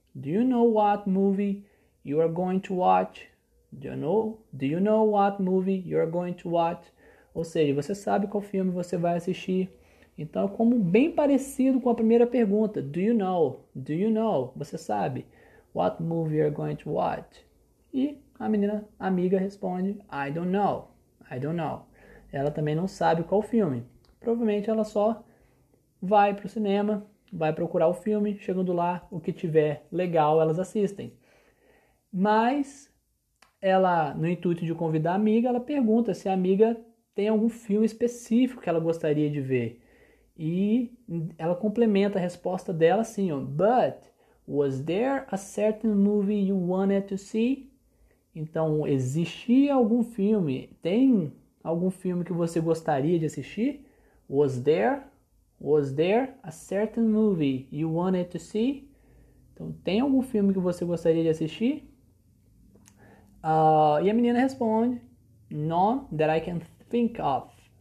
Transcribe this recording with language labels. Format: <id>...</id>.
<en>Do you know what movie you are going to watch? Do you know what movie you are going to watch?</en> <pt>Ou seja, você sabe qual filme você vai assistir? Então, é como bem parecido com a primeira pergunta.</pt> <en>Do you know? Do you know?</en> <pt>Você sabe?</pt> <en>What movie you are going to watch?</en> <pt>E a menina, a amiga, responde,</pt> <en>I don't know. I don't know.</en> <pt>Ela também não sabe qual filme. provavelmente ela só vai pro cinema, vai procurar o filme, chegando lá, o que tiver legal, elas assistem. Mas ela, no intuito de convidar a amiga, ela pergunta se a amiga tem algum filme específico que ela gostaria de ver. E ela complementa a resposta dela assim, ó,</pt> <en>"But was there a certain movie you wanted to see?"</en> <pt>Então, existia algum filme? Tem algum filme que você gostaria de assistir?</pt> <en>Was there a certain movie you wanted to see?</en> <pt>Então, tem algum filme que você gostaria de assistir? E a menina responde,</pt> <en>None that I can think of.</en>